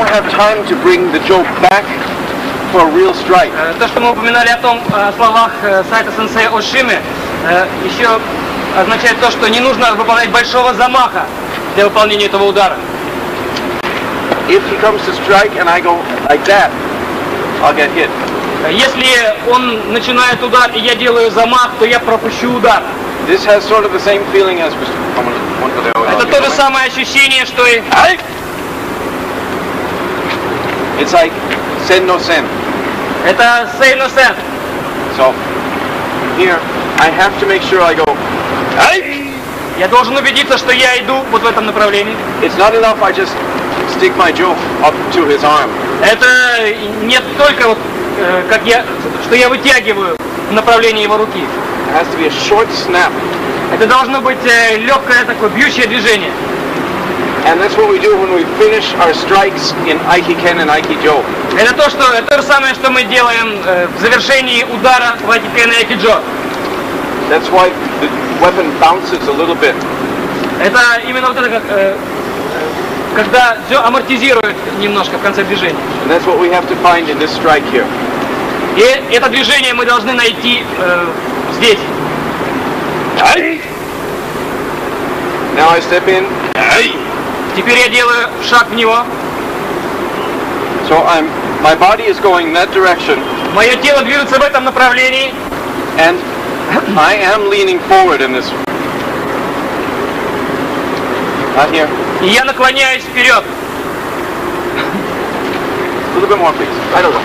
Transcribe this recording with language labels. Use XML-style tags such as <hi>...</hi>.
<en>Time to bring the joke back for a real strike.</en> <ru>То, что мы упоминали о том словах Сайто-сенсея о шиме, еще означает то, что не нужно выполнять большого замаха для выполнения этого удара.</ru> <en>If he comes to strike and I go like that, I'll get hit.</en> <ru>Если он начинает удар и я делаю замах, то я пропущу удар.</ru> <en>This has sort of the same feeling as.</en> <ru>Это то же самое ощущение, что и.</ru> <en>It's like sen no sen.</en> <ru>Это sen no sen.</ru> <en>So here I have to make sure I go. Hey!</en> <ru>Я должен убедиться, что я иду вот в этом направлении.</ru> <en>It's not enough I just stick my jaw up to his arm.</en> <ru>Это не только вот как я что я вытягиваю в направлении его руки.</ru> <en>It has to be a short snap.</en> <ru>Это должно быть легкое такое бьющее движение.</ru> <en>And that's what we do when we finish our strikes in Aikiken and Aikijo.</en> <ru>Это то, что это то же самое, что мы делаем в завершении удара в Aikiken и Aikijo.</ru> <en>That's why the weapon bounces a little bit.</en> <ru>Это именно вот это как когда амортизирует немножко в конце движения.</ru> <en>And that's what we have to find in this strike here.</en> <ru>И это движение мы должны найти здесь.</ru> <en>Now I step in.</en> <ru>Теперь я делаю шаг в него.</ru> <en>So my body is going that direction.</en> <ru>Мое тело движется в этом направлении.</ru> <en>And I am leaning forward in this. Not here.</en> <ru>И я наклоняюсь вперед.</ru> <en>A little bit more, please. I don't know.</en>